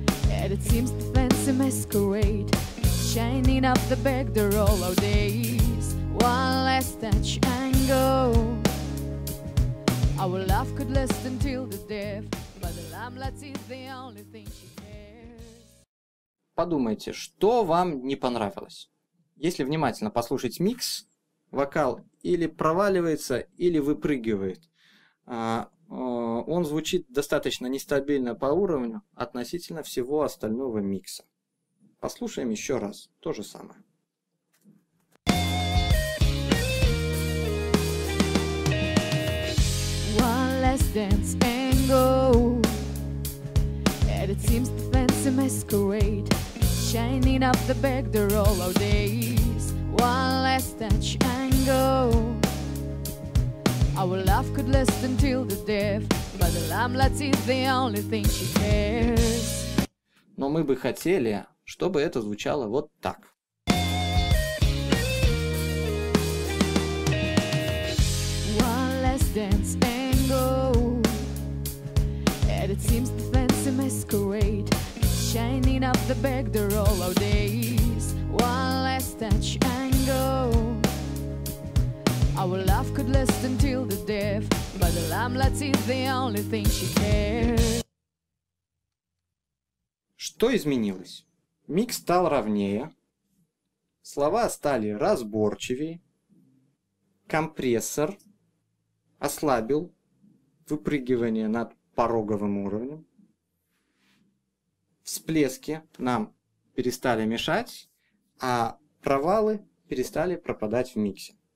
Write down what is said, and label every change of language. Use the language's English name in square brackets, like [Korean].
[English] And it seems the fancy masquerade shining up the back door all our days. One last touch and go. Our love could last until the death, but the lamplight is the only thing she cares. [Russian] Подумайте, что вам не понравилось. Если внимательно послушать микс, вокал или проваливается, или выпрыгивает. Он звучит достаточно нестабильно по уровню относительно всего остального микса. Послушаем еще раз то же самое. [English] just dance and go. And it seems the fancy masquerade shining up the back door all our days. One last touch and go. Our love could last until the death, but the lamblet is the only thing she cares. [Russian] Но мы бы хотели, чтобы это звучало вот так. [English] One last dance and go. And it seems the fancy masquerade shining up the back door all our days. One last touch and go. Our love could last until the death, but the lamblet is the only thing she cares. [Russian] Что изменилось? Микс стал ровнее, слова стали разборчивее, компрессор ослабил выпрыгивание над пороговым уровнем, всплески нам перестали мешать, а провалы перестали пропадать в миксе.